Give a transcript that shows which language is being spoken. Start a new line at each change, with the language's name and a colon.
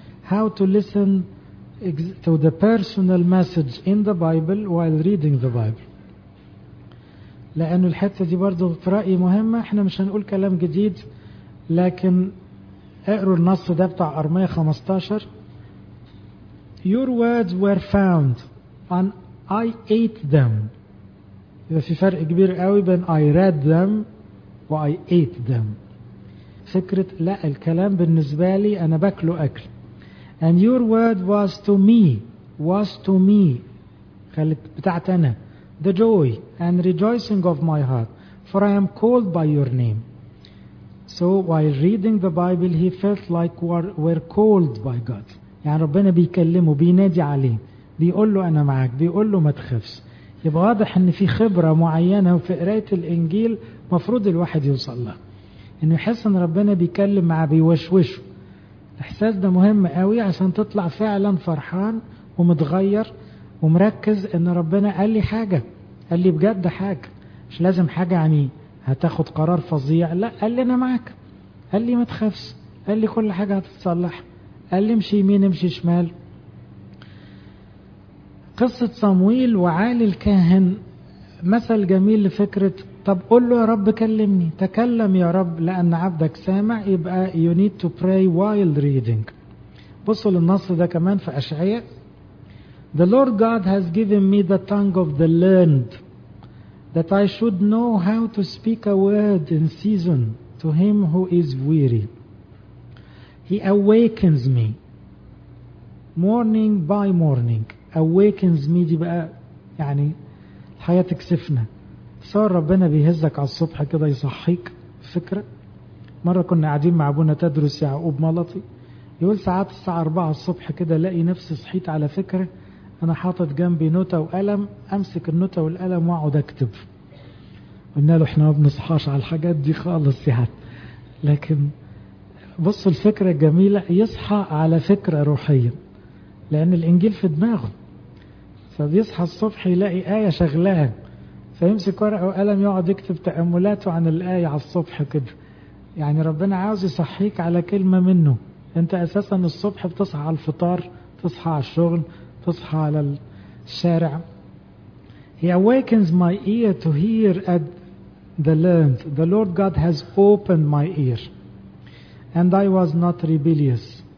English: How to listen to the personal message in the Bible while reading the Bible.
Arabic: لأن الحتة دي برضو في رأيي مهمة. احنا مش هنقول كلام جديد، لكن اقروا النص ده بتاع أرميا 15.
English: Your words were found and I ate them.
Arabic: إذا في فرق كبير قوي بين
English: I read them
Arabic: و
English: I ate them.
Arabic: فكرة لا، الكلام بالنسبة لي أنا بأكله أكل.
English: And your word was to me, was to me.
Arabic: خلت بتاعت أنا.
English: The joy and rejoicing of my heart, for I am called by your name. So while reading the Bible, he felt like were called by God.
Arabic: يعني ربنا بيكلمه، بينادي عليه، بيقول له أنا معك، بيقول له ما تخافش. يبقى واضح إن في خبرة معينة وفي قراية الإنجيل مفروض الواحد يوصل لها، إنه يحس إن ربنا بيكلم معه، بيوشوشه. الإحساس ده مهم قوي عشان تطلع فعلا فرحان ومتغير ومركز إن ربنا قال لي حاجة، قال لي بجد حاجة، مش لازم حاجة يعني هتاخد قرار فظيع، لا، قال لي أنا معك، قال لي ما تخافش، قال لي كل حاجة هتتصلح، قال لي امشي يمين امشي شمال. قصة صمويل وعالي الكاهن مثل جميل لفكرة، طب قول له يا رب كلمني، تكلم يا رب لأن عبدك سامع. يبقى
English: you need to pray while reading.
Arabic: بصوا للنص ده كمان في أشعياء.
English: The Lord God has given me the tongue of the learned that I should know how to speak a word in season to him who is weary. He awakens me morning by morning. Awakens me
Arabic: دي بقى يعني الحياة تكسفنا. صار ربنا بيهزك على الصبح كده يصحيك. فكرة مرة كنا قاعدين مع ابونا تدرس يعقوب ملطي، يقول ساعات الساعة 4 الصبح كده لقي نفسي صحيت على فكرة، انا حاطط جنبي نوتة وقلم، امسك النوتة والقلم واقعد اكتب. قلنا له احنا ما بنصحاش على الحاجات دي خالص يعني، لكن بص الفكرة الجميلة، يصحى على فكرة روحية لان الانجيل في دماغه. فبيصحى الصبح يلاقي آية شغلها، فيمسك ورقة وقلم يقعد يكتب تأملاته عن الآية على الصبح كده. يعني ربنا عاوز يصحيك على كلمة منه. انت اساسا الصبح بتصحى على الفطار، تصحى على الشغل، تصحى على الشارع.
English: He awakens my ear to hear at the learned. The Lord God has opened my ear and I was not rebellious.